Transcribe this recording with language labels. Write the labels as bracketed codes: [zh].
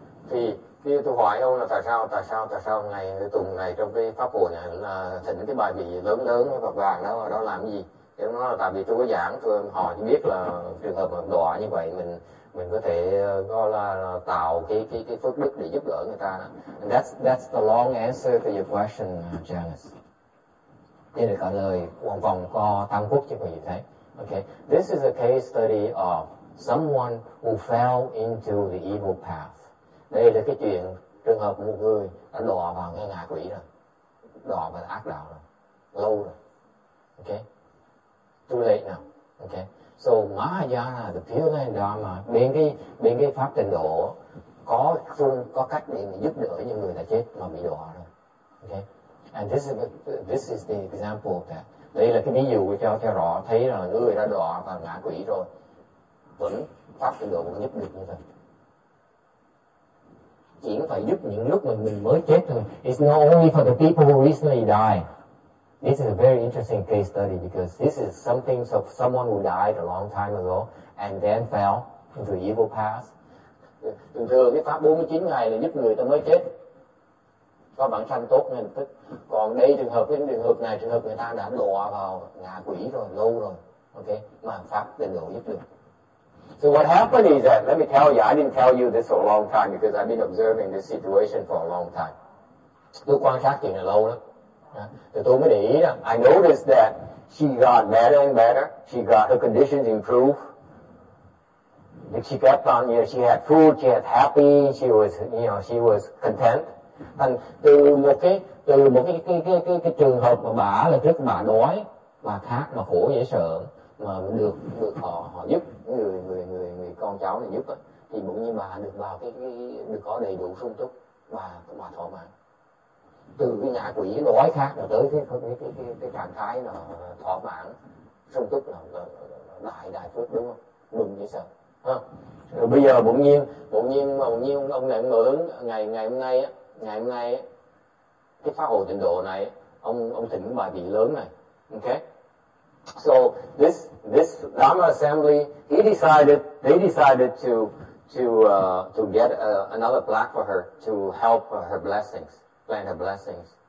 [vi] Thì khi tôi hỏi ông là tại sao ngày tuần này trong cái pháp hội này là thỉnh cái bài vị lớn lớn và vàng đó, đó làm cái gì? Thì nó là tại vì tôi có giảng, tôi hỏi chỉ biết là trường hợp mà đọa như vậy mình có thể gọi là tạo cái phước đức để giúp đỡ người ta. [en] And that's the long answer to your question, Janice. [vi] Đây là câu lời vòng vòng co tam quốc chứ không gì thế. [en] Okay, this is a case study of someone who fell into the evil path. [vi] Đây là cái chuyện trường hợp một người đã đọa vào cái ngạ quỷ rồi, đọa vào ác đạo rồi, lâu rồi. [en] Okay, too late now. Okay, so Mahayana, the Pure Land Dharma, [vi] bên cái pháp tịnh độ có cách để giúp đỡ những người đã chết mà bị đọa rồi. [en] Okay. And this is the example of that. [vi] Đây là cái ví dụ cho rõ thấy là người đã đọa vào ngã quỷ rồi vẫn pháp tịnh độ vẫn giúp được như vậy. Chỉ phải giúp những lúc mà mình mới chết thôi. [en] It's not only for the people who recently died. This is a very interesting case study because this is something of someone who died a long time ago and then fell into evil path. [vi] Thường thường cái pháp 49 ngày là giúp người ta mới chết có bản sanh tốt nên tức. Còn đây trường hợp người ta đã đọa vào ngạ quỷ rồi lâu rồi, ok, mà pháp tịnh độ giúp được. [en] So what happened is that, let me tell you, I didn't tell you this for a long time because I've been observing this situation for a long time. [vi] Tôi quan sát chuyện này lâu lắm. Thì tôi mới để ý rằng, [en] I noticed that she got better and better, she got her conditions improved. But she kept on, you know, she had food, she had happy, she was, you know, she was content. [vi] Thành từ một cái trường hợp mà bà là trước bà đói, bà khát, mà khổ dễ sợ, mà được họ giúp người con cháu này giúp á, thì bỗng nhiên bà được vào cái được có đầy đủ sung túc, bà thỏa mãn. Từ cái ngã quỷ đói khát mà tới cái trạng thái là thỏa mãn sung túc là đại phước, đúng không? Mừng dễ sợ. Rồi bây giờ bỗng nhiên ông này mở lớn ngày hôm nay cái pháp hội tịnh độ này ông thỉnh bài vị lớn này. [en] Okay, so this Dharma assembly, they decided to get another plaque for her to help her blessings, plant her blessings.